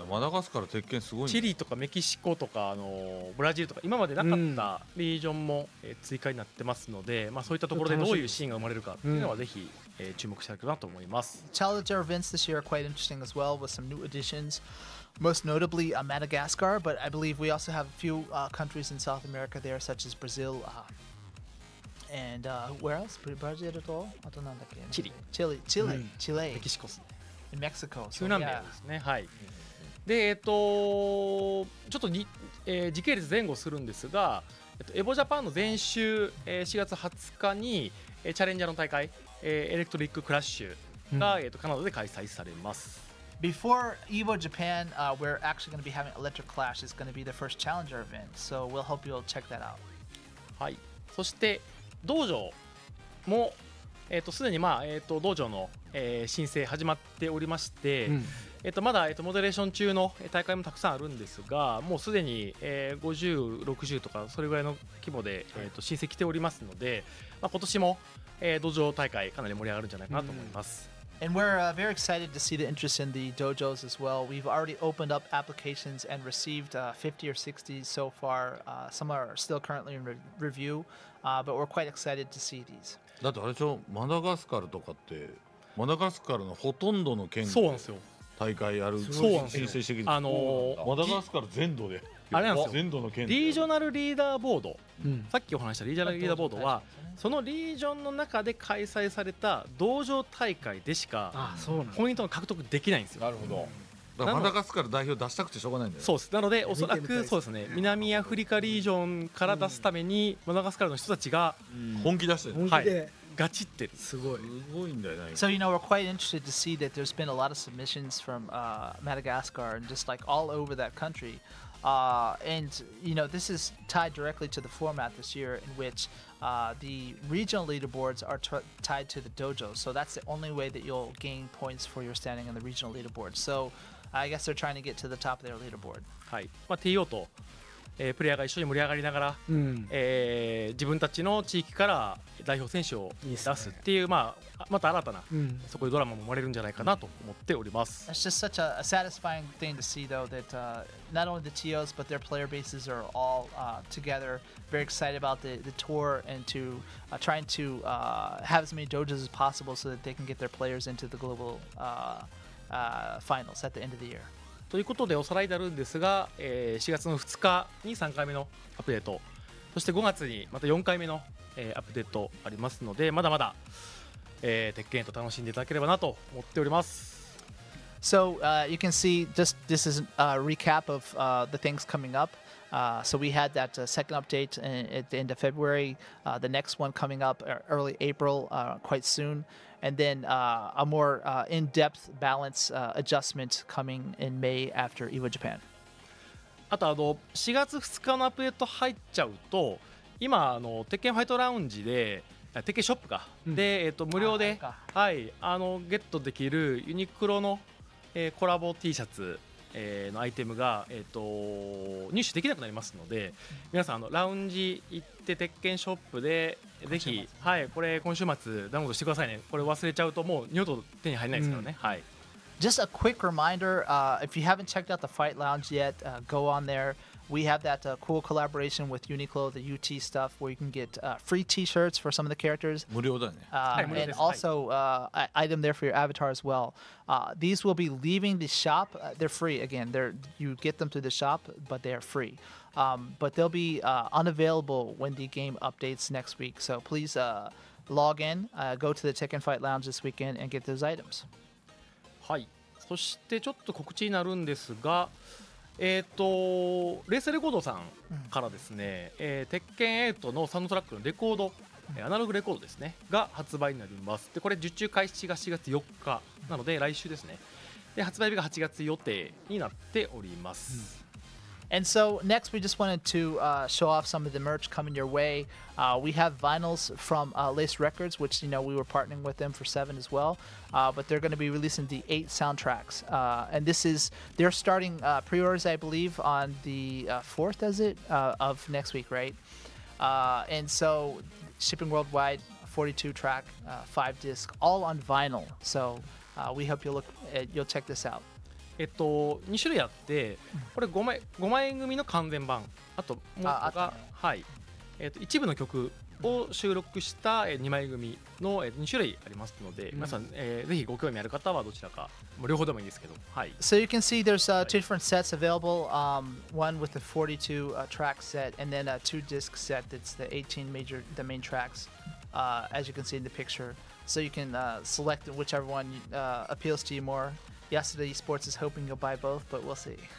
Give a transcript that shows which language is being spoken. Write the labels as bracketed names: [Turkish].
[Japanese] マダガスカル鉄拳すごいね。チリとかメキシコとかブラジルとか今までなかったリージョンも、追加になってますので、まあ、そういったところでどういうシーンが生まれるかっていうのはぜひ、注目したいかなと思います。チャレンジャーイベントは今年は非常に面白いです。 [English] with some new additions, most notably Madagascar, but I believe we also have a few countries in South America there, such as Brazil, and where else? [Japanese] ブラジルとあとなんだっけ、チリ、うん、チレイ、メキシコですね、メキシコ、中南米ですね。はい。で、ちょっと、時系列前後するんですが、エボジャパンの前週、4月20日に、チャレンジャーの大会、エレクトリッククラッシュが、カナダで開催されます。 [English] Before Evo Japan, we're actually going to be having Electric Clash. It's going to be the first challenger event, so we'll hope you'll check that out. [Japanese] はい。そして道場も、すでに、まあ、道場の申請始まっておりまして、うん、まだ、モデレーション中の大会もたくさんあるんですが、もうすでに、50、60とかそれぐらいの規模で、はい、申請来ておりますので、まあ、今年も、道場大会かなり盛り上がるんじゃないかなと思います、 [English] うん、And we're very excited to see the interest in the dojos as well. We've already opened up applications and received 50 or 60 so far. Some are still currently in review, but we're quite excited to see these. [Japanese] だってあれでしょ、マダガスカルとかってマダガスカルのほとんどの県で大会やる、そうなんですよ、申請してきて、マダガスカル全土で、あれなんですよ、全土の県で、リージョナルリーダーボード、うん、さっきお話したリージョナルリーダーボードは、うん、そのリージョンの中で開催された道場大会でしかポイントが獲得できないんですよ。なるほど、だからマダガスカル代表出したくてしょうがないんだよ。そうです。なのでおそらくそうですね、南アフリカリージョンから出すためにマダガスカルの人たちが、うん、本気出してる、はい、ガチってすごい。すごいんだよね。 [English] So you know, we're quite interested to see that there's been a lot of submissions from Madagascar and just like all over that country. And you know, this is tied directly to the format this year in which the regional leaderboards are tied to the dojo. So that's the only way that you'll gain points for your standing in the regional leaderboard. So I guess they're trying to get to the top of their leaderboard. [Japanese] はい。まあ TO とプレイヤーが一緒に盛り上がりながら、うん、自分たちの地域から代表選手を出すっていう、まあ、また新たな、うん、そこでドラマも生まれるんじゃないかなと思っております。 [English] It's just such a satisfying thing to see though that、not only the TOs but their player bases are all、together, very excited about the tour and to、trying to、have as many dojos as possible so that they can get their players into the global、finals at the end of the year. [Japanese] ということでおさらいであるんですが、4月の2日に3回目のアップデート、そして5月にまた4回目の、アップデートありますので、まだまだ、鉄拳と楽しんでいただければなと思っております。 [English] So, you can see just this is a recap of、the things coming up. So we had that、second update in, at the end of February.、the next one coming up early April,、quite soon. And then、a more、in-depth balance、adjustment coming in May after EVO Japan. [Japanese] あとあの4月2日のアップデート入っちゃうと、今あの鉄拳ファイトラウンジで鉄拳ショップか、うん、で、無料で、はい、あのゲットできるユニクロの、コラボ T シャツ、のアイテムが、入手できなくなりますので、うん、皆さんあのラウンジ行って鉄拳ショップでぜひ、はい、これ今週末ダウンロードしてくださいね。これ忘れちゃうともう二度と手に入らないですからね、うん、はい。 [English] Just a quick reminder、if you haven't checked out the Fight Lounge yet、go on there. We have that、cool collaboration with Uniqlo, the UT stuff, where you can get、free t-shirts for some of the characters. [Japanese] 無料だね、はい、無料 [English] and also、はい、item there for your avatar as well、these will be leaving the shop、they're free again, they're, you get them through the shop but they are freeBut they'll be、unavailable when the game updates next week. So please、log in,、go to the Tekken Fight Lounge this weekend and get those items. [Japanese] はい。そしてちょっと告知になるんですが、レースレコードさんからですね、鉄拳8のサウンドトラックのレコード、アナログレコードですね、が発売になります。で、これ受注開始が4月4日なので来週ですね。で、発売日が8月予定になっております。 [English] And so next we just wanted to、show off some of the merch coming your way、we have vinyls from、Lace Records, which you know we were partnering with them for 7 as well、but they're going to be releasing the 8 soundtracks、and this is they're starting、pre-orders I believe on the 4th is it、of next week right、and so shipping worldwide 42 track、5 disc all on vinyl so、we hope you'll, look at, you'll check this out [Japanese] 2種類あってこれ5枚組の完全版あともう1個が、はい一部の曲を収録した2枚組の2種類ありますので、うん、皆さん、ぜひご興味ある方はどちらか両方でもいいですけど、はい、 [English] So you can see there's、two different sets available、one with the 42、track set and then a two disc set that's the 18 major the main tracks、as you can see in the picture so you can、select whichever one、appeals to you moreYesterday Esports is hoping you'll buy both, but we'll see.